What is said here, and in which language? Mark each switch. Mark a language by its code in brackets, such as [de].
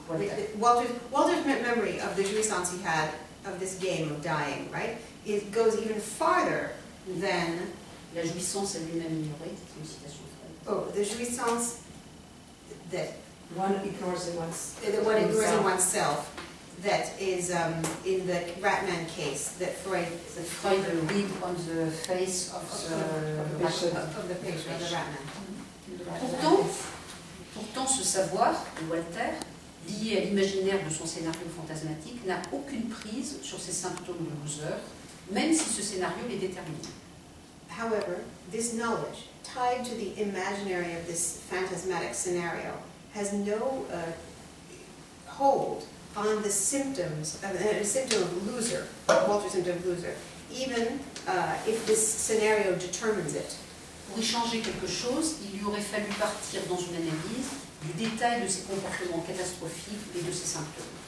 [en] Walter's memory of the jouissance he had of this game of dying, right? It goes even farther than [fr] la jouissance à lui-même ignorée, c'est une citation. [en] Oh, the jouissance that one ignores in oneself. The one ignores in oneself. That is in the Ratman case that Freud the read on the face of the patient, of the Ratman. [fr] Pourtant, ce savoir de Walter, lié à l'imaginaire de son scénario fantasmatique, n'a aucune prise sur ses symptômes de loser, même si ce scénario les détermine. [en] However, this knowledge, tied to the imaginary of this phantasmatic scenario, has no hold on the symptoms, Walter's symptom of loser, even if this scenario determines it. [fr] Pour y changer quelque chose, il lui aurait fallu partir dans une analyse du détail de ses comportements catastrophiques et de ses symptômes.